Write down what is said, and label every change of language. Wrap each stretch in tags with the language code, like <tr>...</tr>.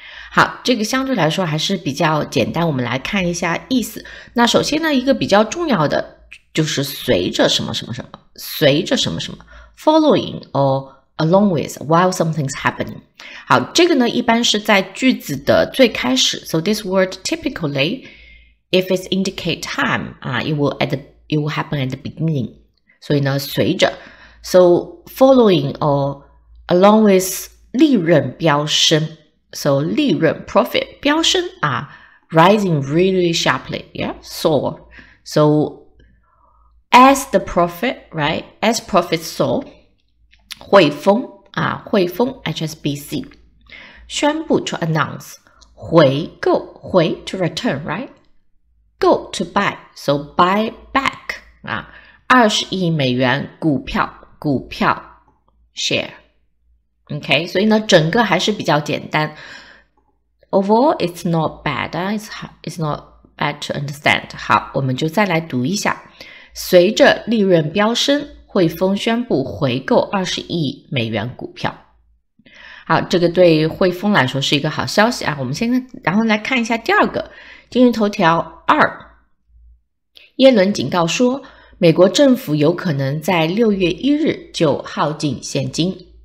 <zh>好，这个相对来说还是比较简单，我们来看一下意思。那首先呢，一个比较重要的就是随着什么什么什么，随着什么什么 ,</zh> <en>following or along with, while something's happening。</en> <zh>好，这个呢一般是在句子的最开始。</zh> <en>So this word typically, if it's indicate time,it will happen at the beginning.</en> <zh>所以呢随着。</zh> <en>So, following or along with</en> <zh>利润飙升。</zh> <en>So,</en> <zh>利润</zh> <en>profit</en> <zh>飙升啊</zh> <en>rising really sharply, yeah, soar. So, as the profit, right, as profit soar,</en> <zh>汇丰啊汇丰</zh> <en>HSBC,</en> <zh>宣布</zh> <en>to announce,</en> <zh>回购回</zh> <en>to return, right, go to buy, so buy back,</en> <zh>啊20亿美元股票股票</zh> <en>share, okay,</en> <zh>所以呢整个还是比较简单。</zh> <en>Overall, it's not bad, it's not bad to understand.</en> <zh>好，我们就再来读一下。随着利润飙升，汇丰宣布回购20亿美元股票。好，这个对汇丰来说是一个好消息啊。我们先然后来看一下第二个。今日头条二，耶伦警告说美国政府有可能在6月1日就耗尽现金。</zh>